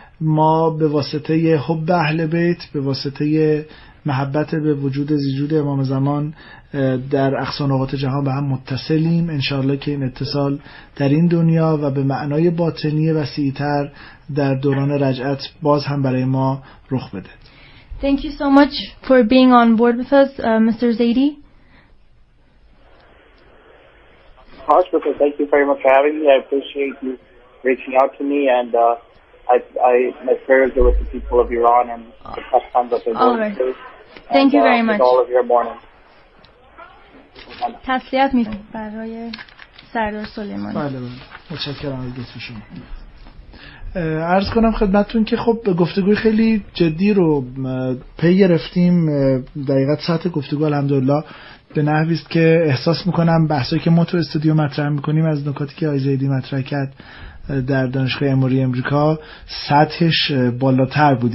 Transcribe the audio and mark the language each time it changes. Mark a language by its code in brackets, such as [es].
[fa] ما به واسطه حب اهل بیت، به واسطه محبت به وجود زیجود امام زمان، در اقصا نقاط جهان به هم متصلیم. انشاءالله که این اتصال در این دنیا و به معنای باطنی وسیع‌تر در دوران رجعت باز هم برای ما رخ بده. [en] Thank you so much for being on board with us, Mr. Zaidi. Thank you very much for having me. I appreciate you reaching out to me, and I my prayers are with the people of Iran and the past times that they're going through. Thank you very much. All of your morning. [fa] تسلیت می کنم برای سردار سلیمانی. بله بله، متشکرم از دست شما. عرض کنم خدمتتون که خب گفتگوی خیلی جدی رو پی گرفتیم. دقیقاً ساعت گفتگو الحمدلله به نحوی است که احساس میکنم بحثایی که ما تو استودیو مطرح میکنیم، از نکاتی که آقای زیدی مطرح کرد در دانشگاه اموری امریکا، سطحش بالاتر بود.